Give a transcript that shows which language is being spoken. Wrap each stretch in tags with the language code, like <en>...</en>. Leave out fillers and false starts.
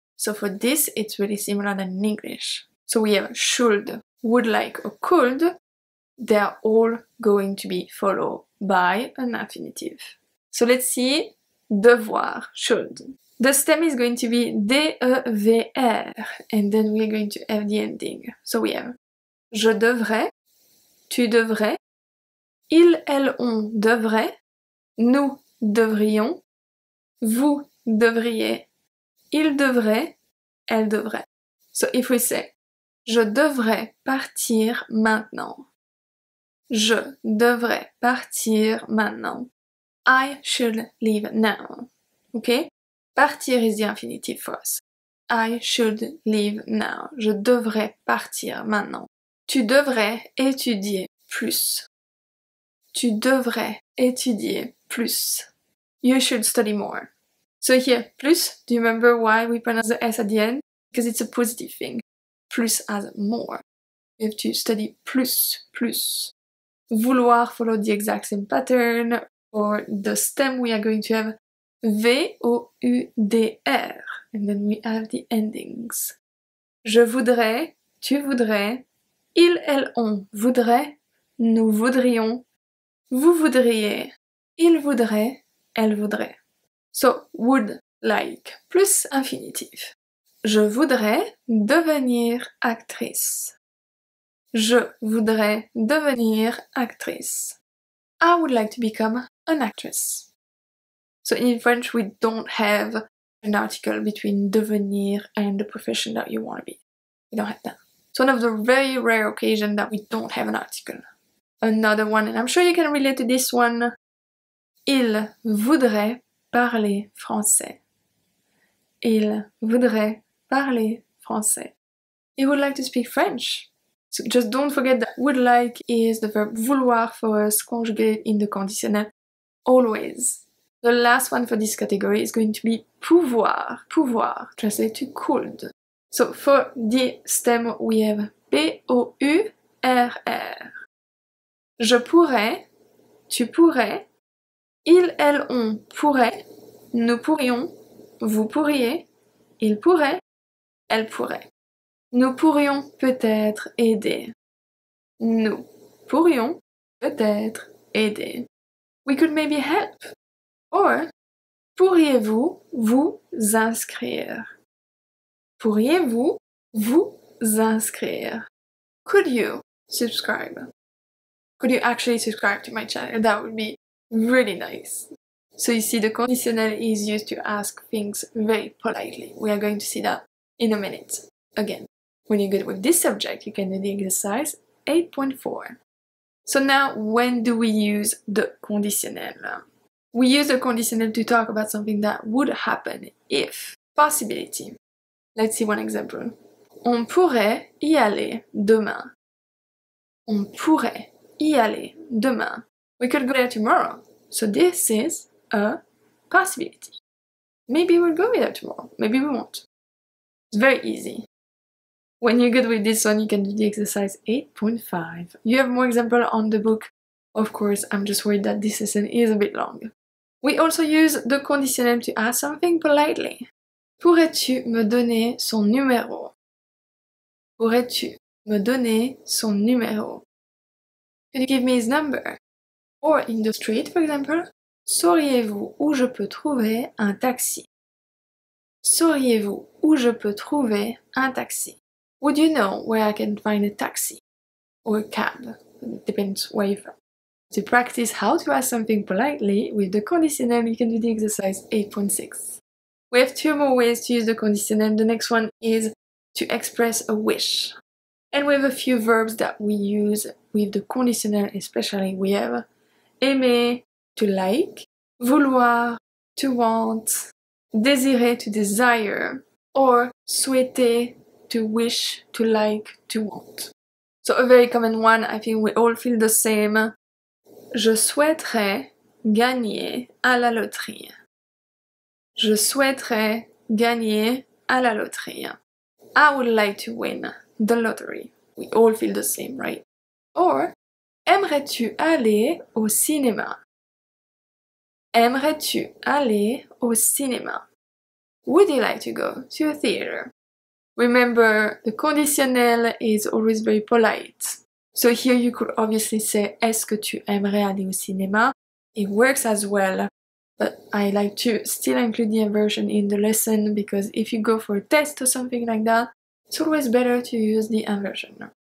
<en>So for this, it's really similar than in English. So we have should, would like, or could. They are all going to be followed by an infinitive. So let's see, devoir, should. The stem is going to be D-E-V-R, and then we're going to have the ending. So we have</en> <fr>je devrais, tu devrais, ils, elles, on devrait, nous devrions, vous devriez, ils devraient, elles devraient.</fr> <en>So if we say</en> <fr>je devrais partir maintenant,</fr> <en>je devrais partir maintenant, I should leave now, okay? Partir is the infinitive for us. I should leave now.</en> <fr>Je devrais partir maintenant. Tu devrais étudier plus. Tu devrais étudier plus.</fr> <en>You should study more. So here, plus, do you remember why we pronounce the S at the end? Because it's a positive thing. Plus as more. You have to study plus, plus. Vouloir follow the exact same pattern or the stem we are going to have. V-O-U-D-R. And then we have the endings.</en> <fr>Je voudrais, tu voudrais, il, elle, on voudrait, nous voudrions, vous voudriez, il voudrait, elle voudrait.</fr> <en>So, would, like, plus infinitive.</en> <fr>Je voudrais devenir actrice. Je voudrais devenir actrice.</fr> <en>I would like to become an actress. So in French, we don't have an article between devenir and the profession that you want to be. We don't have that. It's one of the very rare occasions that we don't have an article. Another one, and I'm sure you can relate to this one.</en> <fr>Il voudrait parler français. Il voudrait parler français.</fr> <en>He would like to speak French. So just don't forget that would like is the verb vouloir for us conjugated in the conditional. Always. The last one for this category is going to be pouvoir. Pouvoir, translated to could. So for the stem, we have P-O-U-R-R.</en> <fr>Je pourrais, tu pourrais, ils, elles, on pourrait, nous pourrions, vous pourriez, ils pourraient, elles pourraient. Nous pourrions peut-être aider. Nous pourrions peut-être aider.</fr> <en>We could maybe help.</en> <fr>Or, pourriez-vous vous inscrire? Pourriez-vous vous inscrire?</fr> <en>Could you subscribe? Could you actually subscribe to my channel? That would be really nice. So you see, the conditional is used to ask things very politely. We are going to see that in a minute. Again, when you're good with this subject, you can do the exercise 8.4. So now, when do we use the conditional? We use a conditional to talk about something that would happen if. Possibility. Let's see one example.</en> <fr>On pourrait y aller demain. On pourrait y aller demain.</fr> <en>We could go there tomorrow. So this is a possibility. Maybe we'll go there tomorrow. Maybe we won't. It's very easy. When you're good with this one, you can do the exercise 8.5. You have more examples on the book. Of course, I'm just worried that this lesson is a bit long. We also use the conditionnel to ask something politely.</en> <fr>Pourrais-tu me donner son numéro? Pourrais-tu me donner son numéro?</fr> <en>Can you give me his number? Or in the street, for example,</en> <fr>sauriez-vous où je peux trouver un taxi? Sauriez-vous où je peux trouver un taxi?</fr> <en>Would you know where I can find a taxi? Or a cab? It depends where you're from. To practice how to ask something politely with the conditionnel, you can do the exercise 8.6. We have two more ways to use the conditionnel. The next one is to express a wish. And we have a few verbs that we use with the conditionnel, especially we have aimer, to like, vouloir, to want, désirer, to desire, or souhaiter, to wish, to like, to want. So a very common one, I think we all feel the same.</en> <fr>Je souhaiterais gagner à la loterie. Je souhaiterais gagner à la loterie.</fr> <en>I would like to win the lottery. We all feel the same, right?</en> <fr>Or, aimerais-tu aller au cinéma? Aimerais-tu aller au cinéma?</fr> <en>Would you like to go to a theater? Remember, the conditionnel is always very polite. So here you could obviously say,</en> <fr>est-ce que tu aimerais aller au cinéma?</fr> <en>It works as well, but I like to still include the inversion in the lesson because if you go for a test or something like that, it's always better to use the inversion.</en>